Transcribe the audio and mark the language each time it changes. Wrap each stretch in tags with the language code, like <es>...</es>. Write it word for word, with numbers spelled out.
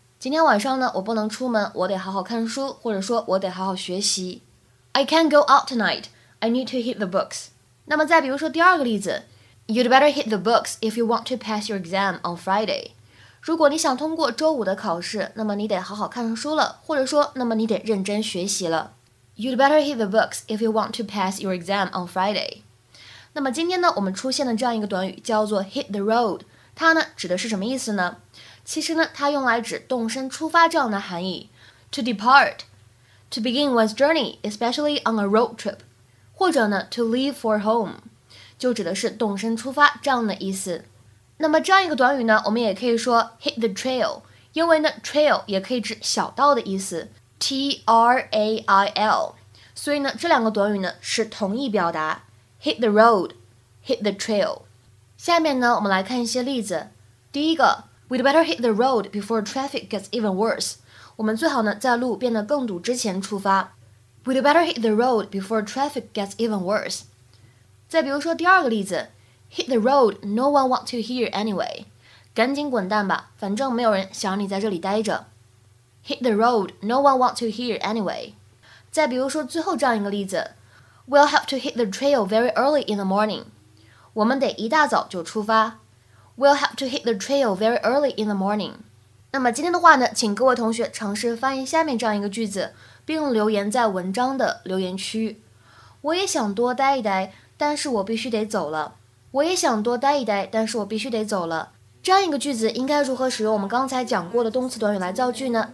<zh>今天晚上呢我不能出门，我得好好看书，或者说我得好好学习。</zh> <en>I can't go out tonight, I need to hit the books。</en> <zh>那么再比如说第二个例子</zh> <en>You'd better hit the books if you want to pass your exam on Friday。</en> <zh>如果你想通过周五的考试，那么你得好好看书了，或者说那么你得认真学习了。</zh> <en>You'd better hit the books if you want to pass your exam on Friday。</en> <zh>那么今天呢我们出现的这样一个短语叫做 hit the road， 它呢指的是什么意思呢？其实呢它用来指动身出发这样的含义。</zh> <en>To depart, to begin one's journey, especially on a road trip，或者呢 to leave for home</en> <zh>就指的是动身出发这样的意思。那么这样一个短语呢，我们也可以说 hit the trail， 因为呢 trail 也可以指小道的意思 T R A I L， 所以呢这两个短语呢是同义表达 hit the road, hit the trail。下面呢我们来看一些例子。第一个</zh> <en>We'd better hit the road before traffic gets even worse，</en> <zh>我们最好呢在路变得更堵之前出发。</zh> <en>We'd better hit the road before traffic gets even worse。</en> <zh>再比如说第二个例子</zh> <en>Hit the road, no one wants to hear anyway。</en> <zh>赶紧滚蛋吧，反正没有人想让你在这里待着。</zh> <en>Hit the road, no one wants to hear anyway。</en> <zh>再比如说最后这样一个例子</zh> <en>We'll have to hit the trail very early in the morning。</en> <zh>我们得一大早就出发。</zh> <en>We'll have to hit the trail very early in the morning。</en> <zh>那么今天的话呢，请各位同学尝试翻译下面这样一个句子，并留言在文章的留言区。我也想多待一待，但是我必须得走了。我也想多待一待，但是我必须得走了。这样一个句子应该如何使用我们刚才讲过的动词短语来造句呢？</zh>